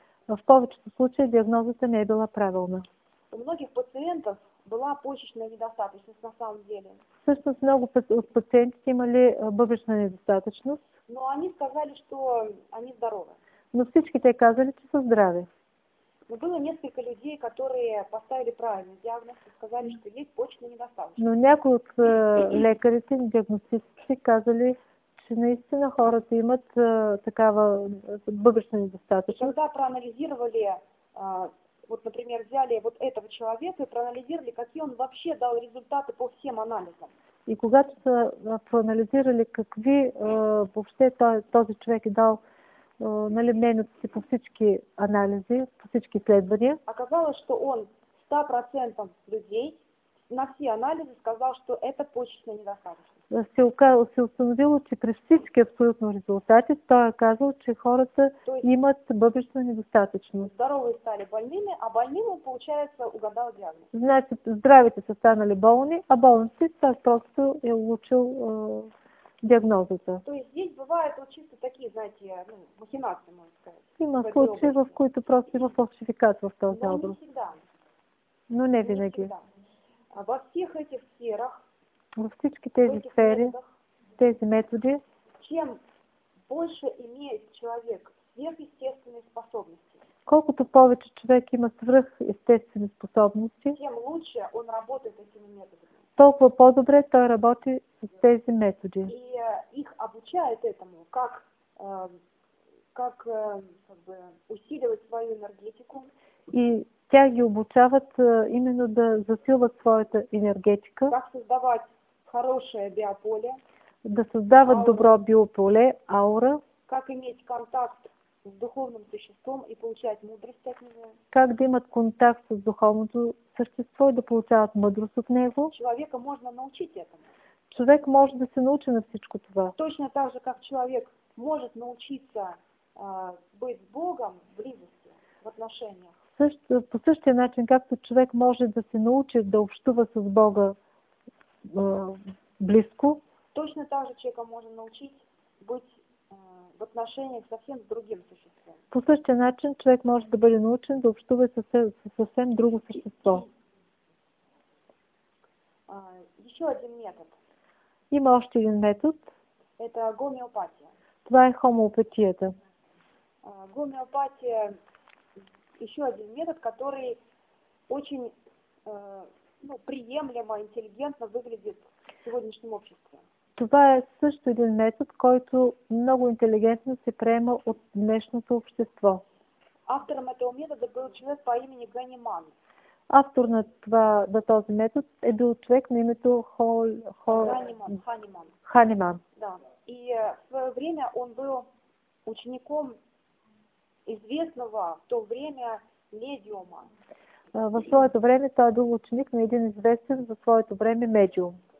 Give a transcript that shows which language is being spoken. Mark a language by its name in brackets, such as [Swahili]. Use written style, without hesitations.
[Bulgarian] В повечето случаи диагнозата не е била правилна. [Russian] У многих пациентов была почечная недостаточность на самом деле. [Bulgarian] Всъщност много от пациентите имали бъбречна недостатъчност. [Russian] Но они сказали, что они здоровы. [Bulgarian] Но всички те казали, че са здрави. [Russian] Но было несколько людей, которые поставили правильный диагноз и сказали, что есть почечная недостаточность. [Bulgarian] Но някои от лекарите, диагностиците казали, че наистина хората имат такава бъбречна недостатъчност. [Russian] Когда проанализировали вот, например, взяли вот этого человека и проанализировали, какие он вообще дал результаты по всем анализам. [Bulgarian] И когато са проанализировали какви [Russian] вообще [Bulgarian] този човек е дал нали, мнението си по всички анализи, по всички изследвания. [Russian] Оказалось, что он 100% людей на все анализы сказал, что это почечная недостаточность. [Bulgarian] Се установило, че при всички абсолютно резултати, той е казал, че хората имат бъбречна недостатъчност. [Russian] Здоровые стали больными, а больному, получается, угадал диагноз. [Bulgarian] Значи, здравите са станали болни, а болните са просто е улучил диагнозата. [Russian] То есть здесь бывают вот чисто такие, знаете, махинации, можно сказать. [Bulgarian] Има случаи, в които просто има фалшификат в този образ. [Russian] Но не всегда. [Bulgarian] Но не винаги. [Russian] А во всех этих сферах, [Bulgarian] во всички тези сфери, тези методи, [Russian] чем больше имеет человек сверхъестественные способности, [Bulgarian] колкото повече човек има свръхъестествени способности, [Russian] тем лучше он работает этими методами. [Bulgarian] Толкова по-добре той работи с тези методи. [Russian] И их обучают этому, как усиливать свою энергетику. [Bulgarian] И тя ги обучават именно да засилват своята енергетика. [Russian] Как создавать хорошее биополе. [Bulgarian] Да създават аура, добро биополе, аура. [Russian] Как иметь контакт с духовным существом и получать мудрость от него. [Bulgarian] Как да имат контакт с духовното същество и да получават мудрост от него. [Russian] Человека можно научить этому. [Bulgarian] Човек може да се научи на всичко това. [Russian] Точно так же, как человек может научиться быть с Богом в близости, в отношениях. [Bulgarian] По същия начин, както човек може да се научи да общува с Бога близко. [Russian] Точно так же човека може научить быть в отношениях совсем с другим существом. [Bulgarian] По същия начин човек може да бъде научен да общува със съвсем друго същество. [Russian] Еще один метод. [Bulgarian] Има още един метод. [Russian] Это гомеопатия. [Bulgarian] Това е хомеопатията. [Russian] Гомеопатия. Еще один метод, который очень приемлемо, интеллигентно выглядит в сегодняшнем обществе. [Bulgarian] Това е също един метод, който много интелигентно се приема от днешното общество. [Russian] Автором этого метода был человек по имени Ганиман. [Bulgarian] Автор на това, на този метод е бил човек на името Ханиман. Ханиман. Да. [Russian] И в свое время он был учеником известного в то время медиума. [Bulgarian] В своето време той е бил ученик на един известен в своето време медиум.